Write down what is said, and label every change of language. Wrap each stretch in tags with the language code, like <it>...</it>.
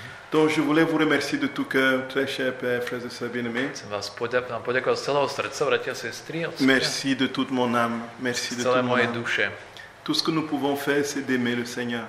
<fr>Donc je voulais vous remercier de tout cœur, très chers pères, frères et sœurs bien-aimés.</fr> <sk>Chcem vás poďakovať z celého srdca, bratia, sestry, otcovia.</sk> <fr>Merci de toute mon âme. Merci de toute mon</fr> <sk>duše.</sk> <fr>Tout ce que nous pouvons faire, c'est d'aimer le Seigneur.</fr>